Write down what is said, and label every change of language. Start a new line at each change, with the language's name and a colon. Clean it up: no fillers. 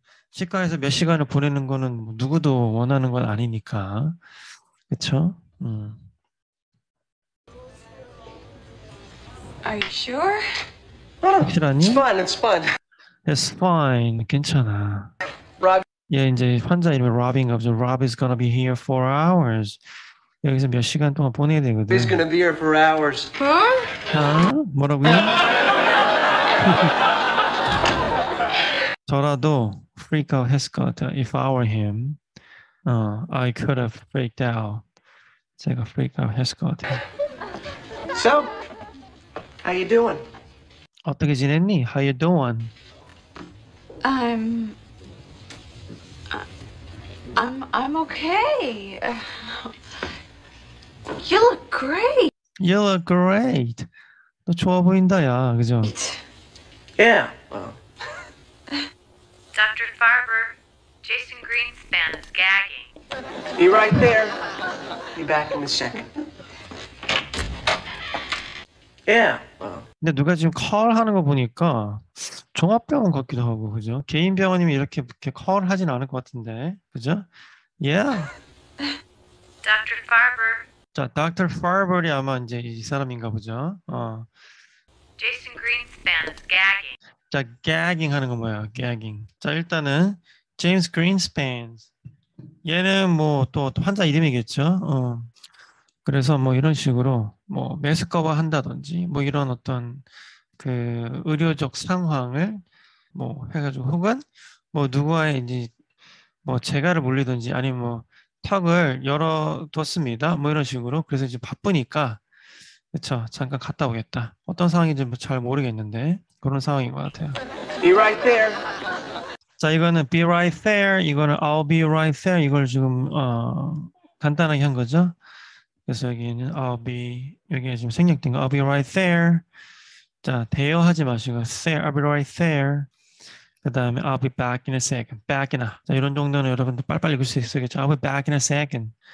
Korean: 치과에서 몇 시간을 보내는 거는 누구도 원하는 건 아니니까. 그쵸?
English: Are you sure? It's fine. It's fine. It's fine.
Korean: 괜찮아.
English: Rob.
Korean: 얘 이제 환자 이름이 Robbie인가 보죠.
English: Rob is gonna be here for hours.
Korean: 여기서 몇 시간 동안 보내야 되거든.
English: He's gonna be here for hours. Huh?
Korean: 아? 뭐라고요? 저라도 freak out 했을 것 같아.
English: If I were him, I could have freaked out.
Korean: 제가 freak out 했을 것 같아.
English: So. How you doing?
Korean: 어떻게 지냈니?
English: How you doing? I'm okay. You look great. You look great.
Korean: 너 좋아 보인다, 야, 그죠?
English: Yeah. Well. Dr. Farber, Jason Greenspan is gagging. Be right there. Be back in a second. Yeah.
Korean: 근데 누가 지금 call 하는 거 보니까 종합병원 같기도 하고, 그죠? 개인 병원이면 이렇게 커를 하진 않을 것 같은데, 그죠?
English: Yeah. Dr. Farber.
Korean: 자, Dr. Farber이 아마 이제 이 사람인가 보죠.
English: Jason Greenspan is gagging.
Korean: 자, gagging 하는 거 뭐야? gagging. 자, 일단은 James Greenspan. 얘는 뭐또 환자 이름이겠죠? 그래서 뭐 이런 식으로 뭐 매스꺼버 한다든지 뭐 이런 어떤 그 의료적 상황을 뭐 해가지고 혹은 뭐 누구와의 이제 뭐 재갈을 물리든지 아니면 뭐 턱을 열어뒀습니다. 뭐 이런 식으로. 그래서 이제 바쁘니까, 그쵸. 잠깐 갔다 오겠다. 어떤 상황인지 뭐잘 모르겠는데, 그런 상황인 것 같아요.
English: Be right there.
Korean: 자, 이거는
English: be right there. 이거는 I'll be right there.
Korean: 이걸 지금, 간단하게 한 거죠. 그래서 여기는 I'll be, 여기에 지금 생략된 거.
English: I'll be right there.
Korean: 자, 대여하지 마시고, there.
English: I'll be right there.
Korean: 그 다음에
English: I'll be back in a second.
Korean: Back in a. 자, 이런 정도는 여러분도 빨리빨리 읽을 수 있겠죠. I'll be back in a second.